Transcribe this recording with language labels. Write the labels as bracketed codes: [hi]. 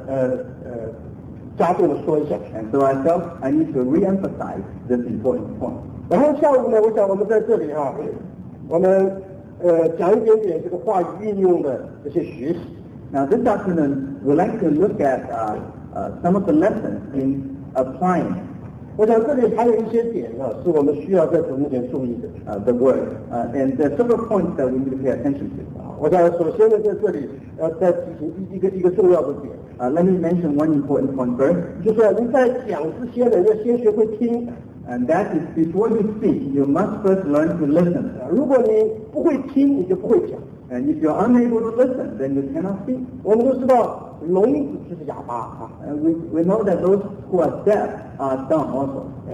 [zh] 所以我想在开头的时候呢，我再把这个点呢，再稍微的这样加重的说一下。 [en] And so I felt I need to re-emphasize this important point. [zh] 然后下午呢，我想我们在这里哈，我们讲一点点这个话语运用的这些学习。 [en] Now this afternoon, we'd like to look at some of the lessons in applying. [zh] 我想这里还有一些点是我们需要在读经注意的 [en] The word, and there are several points that we need to pay attention to. [zh] 我想首先在这里要再提醒一个重要的点 [en] Let me mention one important point first. [zh] 就是您在讲之前的要先学会听 [en] And that is before you speak, you must first learn to listen. [zh] 如果你不会听，你就不会讲。 [en] And if you're unable to listen, then you cannot speak. [zh] 我们都知道聋子就是哑巴 [en] And we know that those who are deaf are dumb also.